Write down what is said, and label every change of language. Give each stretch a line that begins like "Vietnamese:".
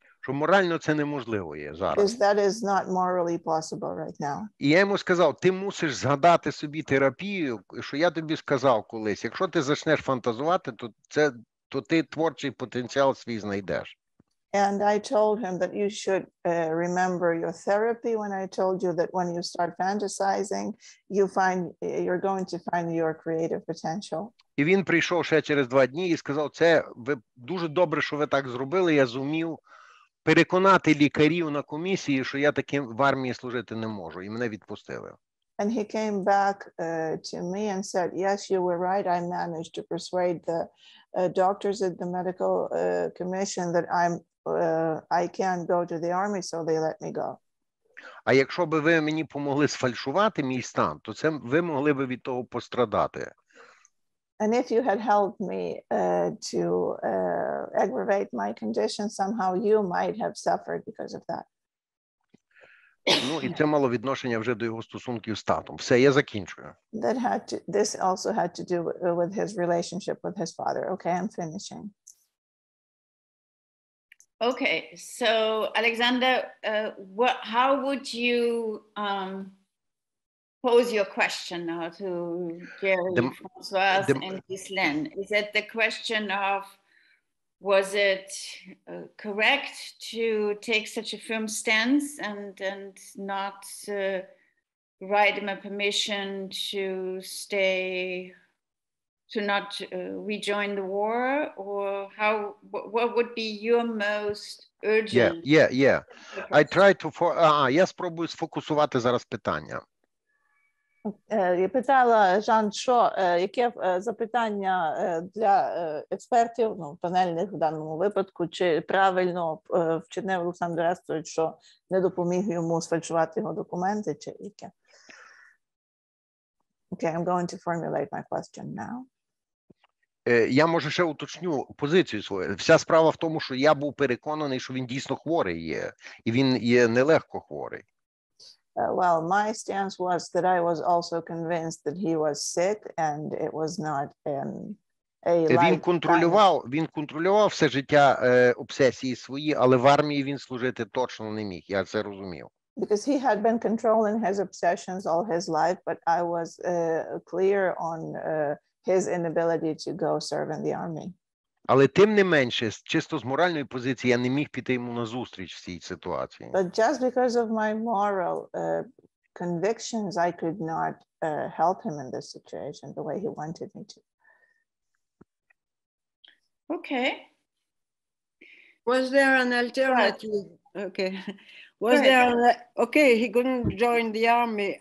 Ukrainian: Що морально це неможливо є зараз.
English: Because that is not morally possible right now.
Ukrainian: І я йому сказав, ти мусиш згадати собі терапію, що я тобі сказав колись, якщо ти почнеш фантазувати, то ти творчий потенціал свій знайдеш.
English: And I told him that you should remember your therapy when I told you that when you start fantasizing, you're going to find your creative potential.
Ukrainian: І він прийшов ще через два дні і сказав, це ви дуже добре, що ви так зробили, я зумів переконати лікарів на комісії, що я таким в армії служити не можу. І мене відпустили.
English: And he came back to me and said, yes, you were right, I managed to persuade the doctors at the medical commission that I can't go to the army, so they let me go.
Ukrainian: А якщо б ви мені помогли сфальшувати мій стан, то це ви могли б від того пострадати.
English: And if you had helped me to aggravate my condition somehow, you might have suffered because of that.
Ukrainian: Ну, і це мало відношення вже до його стосунків з татом. Все, я закінчую.
English: This also had to do with his relationship with his father. Okay, I'm finishing. Okay, so Alexander, how would you pose your question now to Gerard, Françoise, and Ghislaine? Is it the question of, was it correct to take such a firm stance and not write him a permission to stay, to not rejoin the war, or how? What would be your most urgent? Yeah. I try to for.
Ukrainian: Я спробую сфокусувати зараз питання. Я питала Жан, що яке запитання для експертів, ну, панельних в даному випадку, чи правильно вчинив Олександр Ресторович, що не допоміг йому сфальшувати його документи, чи яке?
English: Okay, I'm going to formulate my question now.
Ukrainian: Я, може, ще уточню позицію свою. Вся справа в тому, що я був переконаний, що він дійсно хворий є, і він є нелегко хворий.
English: Well, my stance was that I was also convinced that he was sick and it was not in a lifetime.
Ukrainian: Він контролював все життя обсесії свої, але в армії він служити точно не міг, я це розумів.
English: Because he had been controlling his obsessions all his life, but I was clear on his inability to go serve in the army.
Ukrainian: Але тим не менше, чисто з моральної позиції, я не міг піти йому на зустріч в цій ситуації.
English: But just because of my moral convictions, I could not help him in this situation the way he wanted me to. Okay. Was there an alternative? Okay. Was there an, okay, he couldn't join the army.